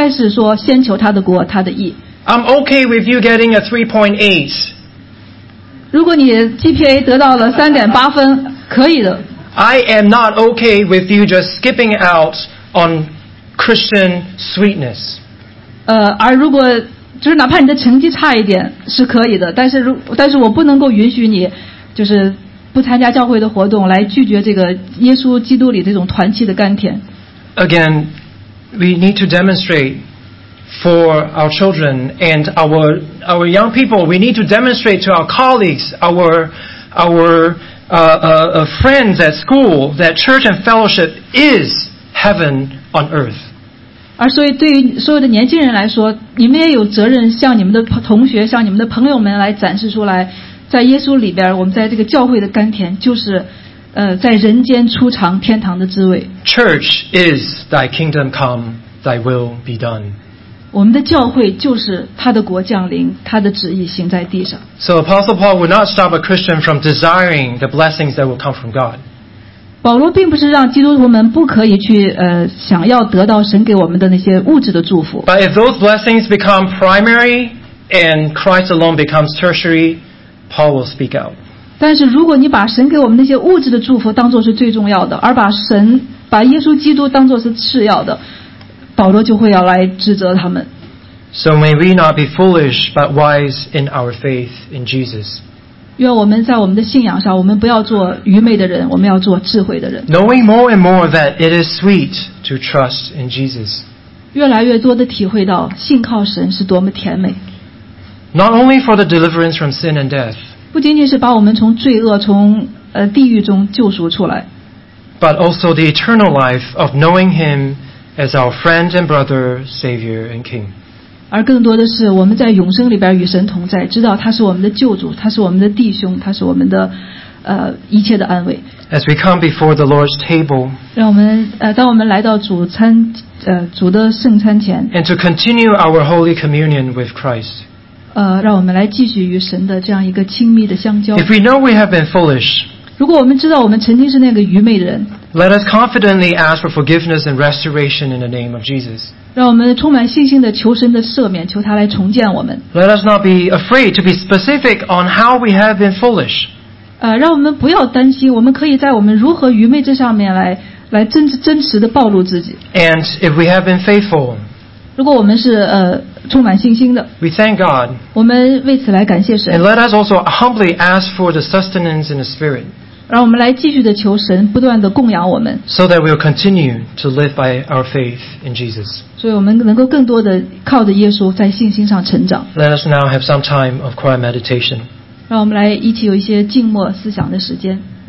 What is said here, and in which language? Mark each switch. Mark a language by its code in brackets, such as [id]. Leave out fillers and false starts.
[zh] 而作为父母对孩子的教导应该是说先求他的国,他的义。 [en] I'm okay with you getting a 3.8. [zh] 如果你GPA得到了3.8分,可以的。 [en] I am not okay with you just skipping out on Christian sweetness. [zh] 而如果就是哪怕你的成绩差一点,是可以的,但是我不能够允许你就是不参加教会的活动来拒绝这个耶稣基督里这种团契的甘甜。 [en] Again, we need to demonstrate for our children and our young people, we need to demonstrate to our colleagues, our friends at school that church and fellowship is heaven on earth. [zh] 而所以对于所有的年轻人来说，你们也有责任向你们的同学、向你们的朋友们来展示出来，在耶稣里边，我们在这个教会的甘甜，就是，在人间初尝天堂的滋味。 [en] Church is thy kingdom come, thy will be done. [zh] 我们的教会就是他的国降临，他的旨意行在地上。 [en] So Apostle Paul would not stop a Christian from desiring the blessings that will come from God. [zh] 保罗并不是让基督徒们不可以去想要得到神给我们的那些物质的祝福。 [en] But if those blessings become primary and Christ alone becomes tertiary, Paul will speak out. [zh] 但是如果你把神给我们那些物质的祝福当作是最重要的，而把神把耶稣基督当作是次要的，保罗就会要来指责他们。 [en] So may we not be foolish but wise in our faith in Jesus. [zh] 愿我们在我们的信仰上，我们不要做愚昧的人，我们要做智慧的人。 [en] Knowing more and more that it is sweet to trust in Jesus. [zh] 越来越多地体会到信靠神是多么甜美。 [en] Not only for the deliverance from sin and death. [zh] 不仅仅是把我们从罪恶、从地狱中救赎出来。 [en] But also the eternal life of knowing Him as our friend and brother, Savior and King. [zh] 而更多的是我们在永生里边与神同在，知道他是我们的救主，他是我们的弟兄，他是我们的一切的安慰。 [en] As we come before the Lord's table, [zh] 让我们当我们来到主餐主的圣餐前 [en] ，and to continue our holy communion with Christ, [zh] 让我们来继续与神的这样一个亲密的相交。 [en] If we know we have been foolish, [zh] 如果我们知道我们曾经是那个愚昧的人 [en] ，let us confidently ask for forgiveness and restoration in the name of Jesus. [zh] 让我们充满信心地求神的赦免，求他来重建我们。 [en] Let us not be afraid to be specific on how we have been foolish. [zh] 让我们不要担心，我们可以在我们如何愚昧这上面来真实地暴露自己。 [en] And if we have been faithful, [zh] 如果我们是充满信心的 [en] ，We thank God. [zh] 我们为此来感谢神。 [en] And let us also humbly ask for the sustenance in the Spirit. [zh] 让我们来继续地求神不断地供养我们 [en] so that we'll continue to live by our faith in Jesus. [zh] 所以我们能够更多地靠着耶稣在信心上成长 [en] Let us now have some time of quiet meditation. [zh] 让我们来一起有一些静默思想的时间